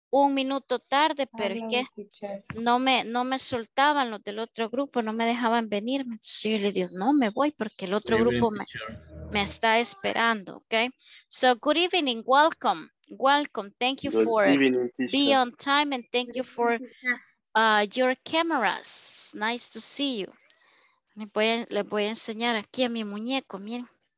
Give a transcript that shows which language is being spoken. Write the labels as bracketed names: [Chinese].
[Spanish] Un minuto tarde, pero [English] hello, [Spanish] es que no me soltaban los del otro grupo, no me dejaban venir. Sí, le digo, no me voy porque el otro grupo me está esperando, okay? [English] So, good evening, welcome. Welcome, thank you for being on time and thank you for your cameras. Nice to see you. [Spanish] Les voy a enseñar aquí a mi muñeco, miren.